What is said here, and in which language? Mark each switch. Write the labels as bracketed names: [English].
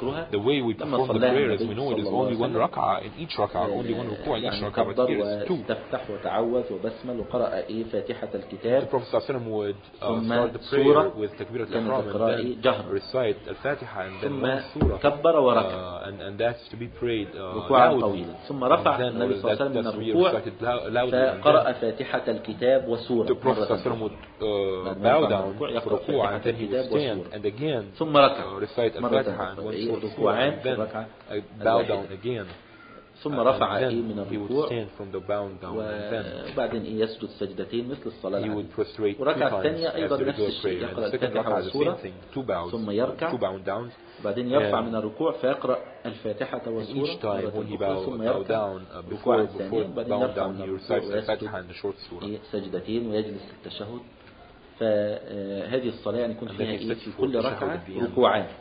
[English] The way we perform the prayer is we know it is only one rak'ah in each rak'ah, only one ruku' in each rak'ah, but here it's two. [Arabic] تفتح وتعوذ وبسمل وقرأ فاتحة الكتاب. [English] The Prophet ﷺ would start the prayer with تكبيرة الإحرام and then recite الفاتحة and then سورة. [Arabic] ثم كبر وركع. [English] And that's to be prayed loud. [Arabic] ثم رفع النبي صلى الله عليه وسلم من الركوع. فقرأ فاتحة الكتاب وسورة. [English] The Prophet ﷺ would bow down for ruku' and then he would stand and again [Arabic] ثم ركع [English] recite الفاتحة [Arabic] ركوعان ركع [English] bow down again [Arabic] ثم رفع من الركوع [English] he would stand from the bow down and then [Arabic] وبعدين يسجد سجدتين مثل الصلاة [English] he would prostrate [Arabic] وركع الثانية أيضا نفس الشيء يقرأ الفاتحة والسورة ثم يركع بعدين يرفع من الركوع فيقرأ الفاتحة والسورة [English] each time when he bow down before bow down he recites الفاتحة and the short سورة [Arabic] سجدتين ويجلس للتشهد فهذه الصلاة يعني يكون فيها في كل ركعة ركوعان.